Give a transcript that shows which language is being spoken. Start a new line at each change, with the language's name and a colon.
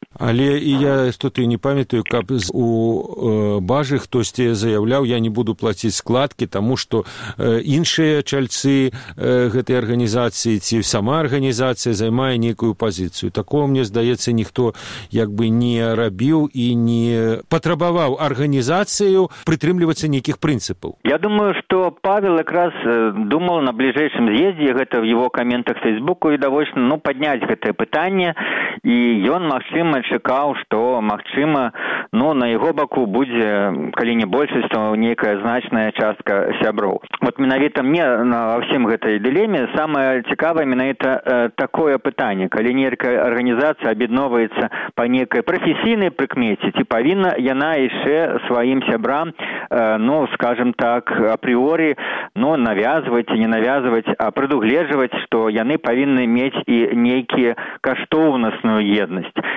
Belarusian: Але і я тут і не памятаю, каб у бажы хтось заявляў, я не буду плаціць складкі, таму што іншыя чальцы гэтай арганізацыі ці сама арганізацыя займае нейкую пазіцыю. Такого, мне здаецца, ніхто як бы не рабіў і не патрабаваў арганізацыю прытрымлівацца нейкіх прынцыпаў.
Russian: Я думаю, что Павел как раз думал на ближайшем съезде, это в его комментах в Фейсбуку, и довольно, ну, поднять это питание,
Belarusian: і ён магчыма чакаў, што магчыма, ну, на яго баку будзе, калі не большасць, то нейкая значная частка сябраў. Вот менавіта мне на ўсім гэтай дылеме самае цікавае менавіта такое пытанне, калі нейкая арганізацыя аб'ядноўваецца па нейкай прафесійнай прыкмеце, ці павінна яна яшчэ сваім сябрам, ну, скажам так, апріорі, ну, навязваць, не навязваць, а прадугледжваць, што яны павінны мець і нейкія каштоўнасную єднасць.